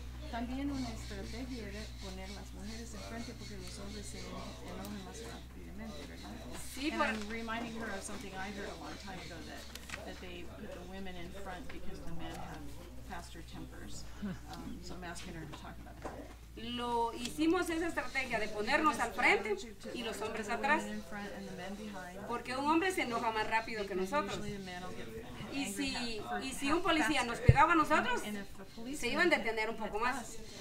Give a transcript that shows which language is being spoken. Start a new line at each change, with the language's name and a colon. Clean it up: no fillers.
Spanish: También una estrategia era poner las mujeres enfrente porque los hombres se enojan más rápidamente, ¿verdad? Sí, pero
English: reminding her of something I heard a long time ago that they put the women in front because the men have faster tempers. So I'm asking her to talk about that.
Spanish: Lo hicimos esa estrategia de ponernos al frente y los hombres atrás, porque un hombre se enoja más rápido que nosotros. Y si un policía nos pegaba a nosotros, se iban a detener un poco más.